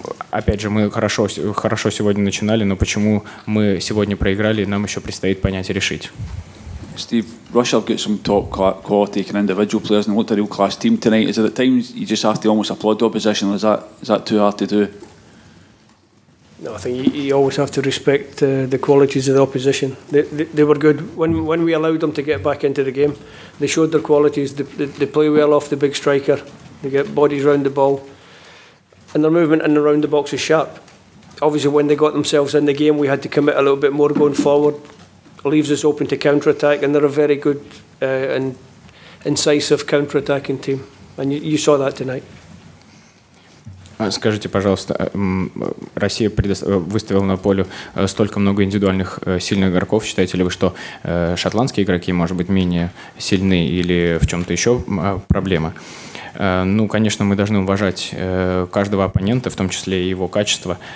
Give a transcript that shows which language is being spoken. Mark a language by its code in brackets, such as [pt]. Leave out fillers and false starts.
[ru] Опять же, мы хорошо сегодня начинали, но почему мы сегодня проиграли, нам еще предстоит понять и решить. [en] Steve, Russia have got some top quality kind of individual players and looked a real class team tonight. Is it at times you just have to almost applaud the opposition? Is that too hard to do? No, I think you always have to respect the qualities of the opposition. They were good. When we allowed them to get back into the game, they showed their qualities. They play well off the big striker. They get bodies around the ball. And their movement in and around the box is sharp. Obviously, when they got themselves in the game, we had to commit a little bit more going forward. Leaves us open to counter-attack, and they're a very good and incisive counter-attacking team. And you saw that tonight. [ru] Скажите, пожалуйста, Россия выставила на поле столько много индивидуальных сильных игроков. Считаете ли вы, что шотландские игроки, может быть, менее сильны или в чем-то еще проблема? Ну, конечно, мы должны уважать каждого оппонента, в том числе и его качество.